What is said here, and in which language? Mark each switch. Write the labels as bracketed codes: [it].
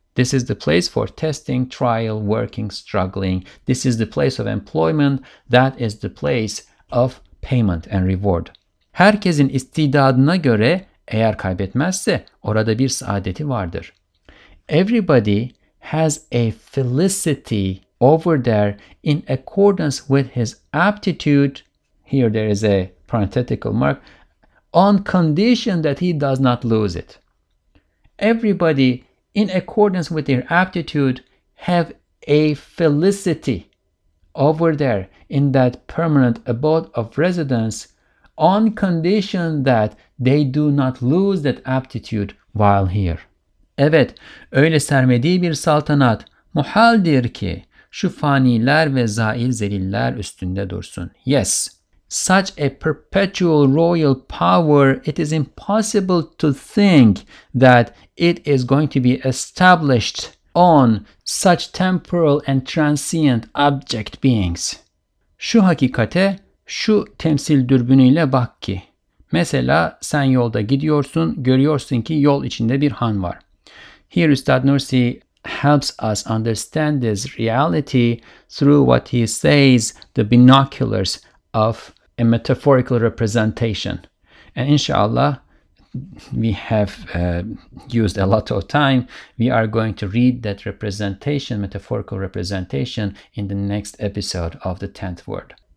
[en] This is the place for testing, trial, working, struggling. This is the place of employment. That is the place of payment and reward. [tr] Herkesin istidadına göre eğer kaybetmezse orada bir saadeti vardır. [en] Everybody has a felicity over there in accordance with his aptitude, here there is a parenthetical mark, on condition that he does not lose it. Everybody in accordance with their aptitude have a felicity over there in that permanent abode of residence on condition that they do not lose that aptitude while here. [tr] Evet, öyle sermedi bir saltanat muhaldir ki şu faniler ve zail zeliller üstünde dursun. [en] Yes, such a perpetual royal power, it is impossible to think that it is going to be established on such temporal and transient object beings. [tr] Şu hakikate, şu temsil dürbünüyle bak ki. Mesela sen yolda gidiyorsun, görüyorsun ki yol içinde bir han var. [en] Here Üstad Nursi helps us understand this reality through what he says, the binoculars of a metaphorical representation. And inshallah, we have used a lot of time, we are going to read that representation, metaphorical representation, in the next episode of the 10th word.